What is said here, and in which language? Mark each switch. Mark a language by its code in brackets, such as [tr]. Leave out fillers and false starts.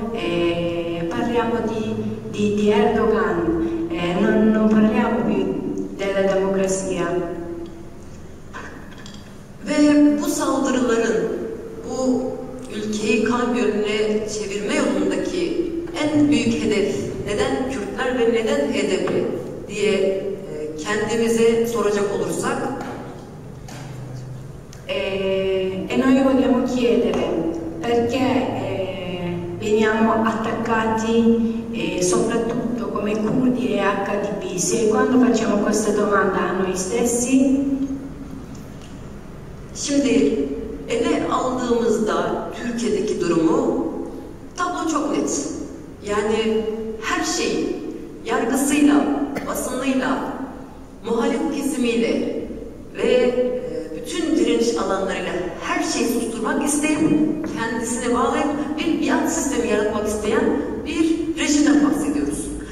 [it] Parliamo di Erdogan, non parliamo più della democrazia. [tr] Ve bu saldırıların, bu ülkeyi kan gölüne çevirme yolundaki en büyük hedef neden Kürtler ve neden HDP diye kendimize soracak olursak [it] e noi vogliamo chiedere perché veniamo attaccati soprattutto come Kurdi e HDP, se quando facciamo questa domanda a noi stessi. [tr] Şimdi ele aldığımızda Türkiye'deki durumu, tablo çok net. Yani her şey yargısıyla, basınıyla, muhalif kesimiyle ve bütün direniş alanlarıyla her şeyi susturmak isteyen, kendisine bağlayıp bir biat sistemi yaratmak isteyen bir rejimden bahsediyoruz.